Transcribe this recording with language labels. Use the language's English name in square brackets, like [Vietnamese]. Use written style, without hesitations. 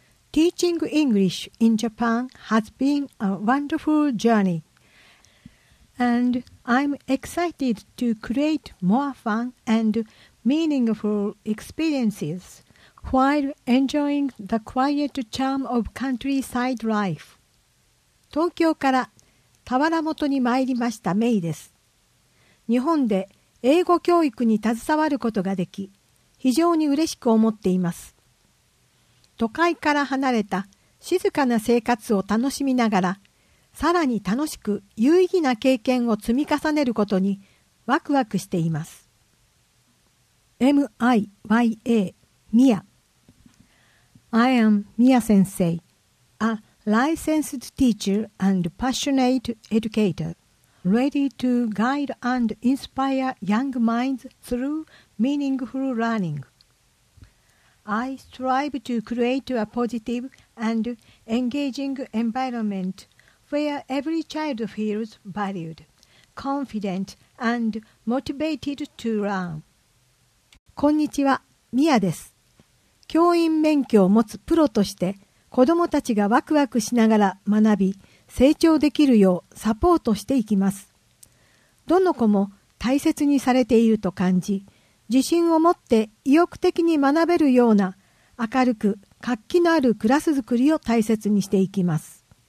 [English] Teaching English in Japan has been a wonderful journey, and I'm excited to create more fun and meaningful experiences while enjoying the quiet charm of countryside life. [Japanese] 東京から俵本に参りましたメイです。日本で英語教育に携わることができ、非常に嬉しく思っています。都会から離れた静かな生活を楽しみながら、さらに楽しく有意義な経験を積み重ねることにワクワクしています。 [English] MIYA Mia I am Mia Sensei, a licensed teacher and passionate educator, ready to guide and inspire young minds through meaningful learning. I strive to create a positive and engaging environment where every child feels valued, confident, and motivated to learn. [Japanese] こんにちは、ミヤです。教員免許を持つプロとして、子どもたちがワクワクしながら学び、成長できるようサポートしていきます。どの子も大切にされていると感じ、自信を持って意欲的に学べるような明るく活気のあるクラス作りを大切にしていきます。